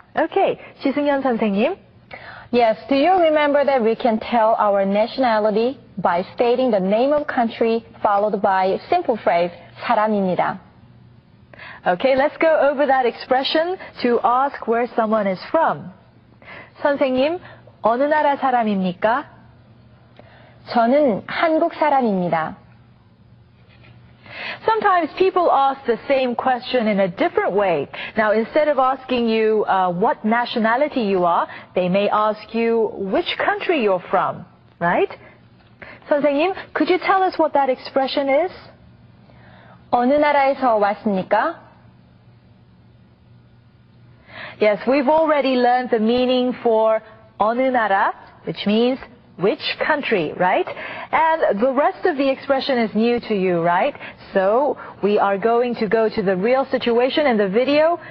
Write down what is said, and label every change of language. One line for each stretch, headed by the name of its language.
Korean: Okay, 지승연 선생님.
English: Yes, do you remember that we can tell our nationality by stating the name of country followed by simple phrase 사람입니다? Okay, let's go over that expression to ask where someone is from.
Korean: 선생님, 어느 나라 사람입니까? 저는 한국 사람입니다.
English: Sometimes people ask the same question in a different way. Now, instead of asking you what nationality you are, they may ask you which country you're from, right? 선생님, could you tell us what that expression is?
Korean: 어느 나라에서 왔습니까?
English: Yes, we've already learned the meaning for
Korean: 어느 나라,
English: which means which country, right? And the rest of the expression is new to you, right? So we are going to go to the real situation in the video.